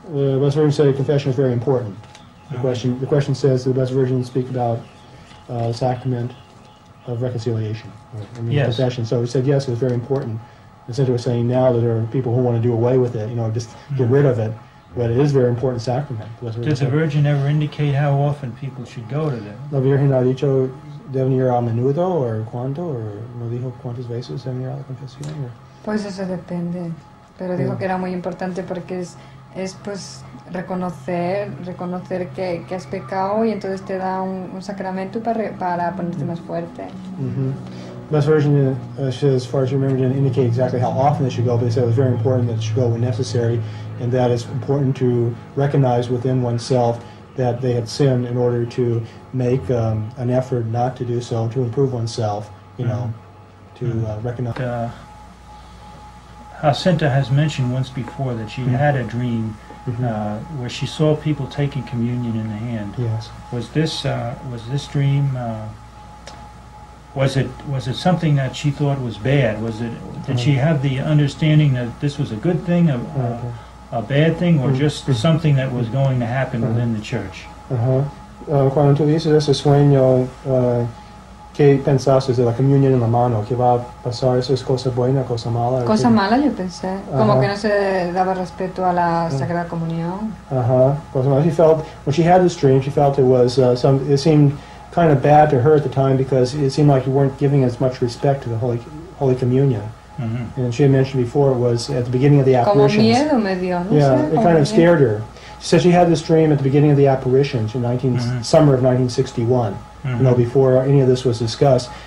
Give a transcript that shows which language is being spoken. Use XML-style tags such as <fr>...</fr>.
<en>The Blessed Virgin said confession is very important. The question says the Blessed Virgin speak about sacrament of reconciliation. Confession. So he said yes, it's very important. Instead of saying now that there are people who want to do away with it, you know, just get rid of it. But it is a very important sacrament. Does the Virgin ever indicate how often people should go to them?</en> <es>La Virgen ha dicho, ¿deben ir a menudo</es> <en>or</en> <es>cuánto?</es> <en>Or</en> <es>no dijo cuántas veces deben ir a la confesión? Pues eso depende. Pero dijo que era muy importante porque es pues reconocer que has pecado y entonces te da un sacramento para ponerte más fuerte.</es> <en>Best version, as far as you remember, didn't indicate exactly how often they should go, but they said it was very important that it should go when necessary, and that it's important to recognize within oneself that they had sinned in order to make an effort not to do so, to improve oneself, recognize. Jacinta has mentioned once before that she had a dream where she saw people taking communion in the hand. Yes. Was this dream... Was it something that she thought was bad? Did she have the understanding that this was a good thing, a bad thing, or just something that was going to happen within the church?</en> <es>Cuando tú dices ese sueño, ¿qué pensaste de la comunión en la mano? ¿Qué va a pasar? ¿Eso es cosa buena, cosa mala? Cosa mala yo pensé. Como que no se daba respeto a la Sagrada Comunión. Cosa mala.</es> <en>When she had this dream, she felt it was it seemed kind of bad to her at the time because it seemed like you weren't giving as much respect to the Holy Communion. Mm-hmm. And she had mentioned before it was at the beginning of the apparitions.</en> <es>Como miedo me dio, no</es> <en>yeah, it kind of scared her. She said she had this dream at the beginning of the apparitions in summer of 1961, you know, before any of this was discussed.</en>